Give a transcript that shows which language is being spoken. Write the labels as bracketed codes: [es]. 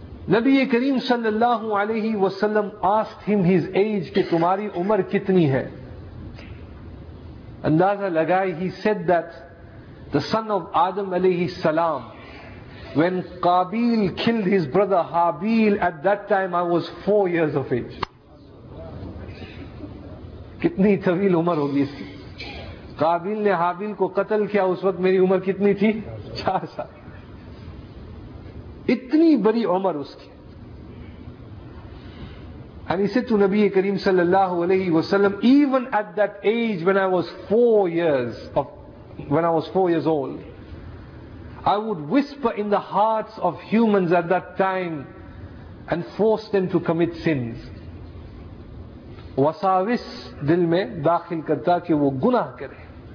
[ur] نبی کریم صلی اللہ علیہ وسلم [en] asked him his age, [ur] کہ تمہاری عمر کتنی ہے؟ اندازہ لگائے. [en] He said that the son of Adam علیہ السلام, when Qabil killed his brother Habil, at that time I was 4 years of age. [ur] کتنی طویل عمر ہوگی اس کی. قابیل نے حابیل کو قتل کیا, اس وقت میری عمر کتنی تھی؟ 4 سال. اتنی بڑی عمر اس کی. [en] And he said to نبی کریم صلی اللہ علیہ وسلم, even at that age when I was four years old, I would whisper in the hearts of humans at that time and force them to commit sins. [ur] وساوس دل میں داخل کرتا کہ وہ گناہ کرے.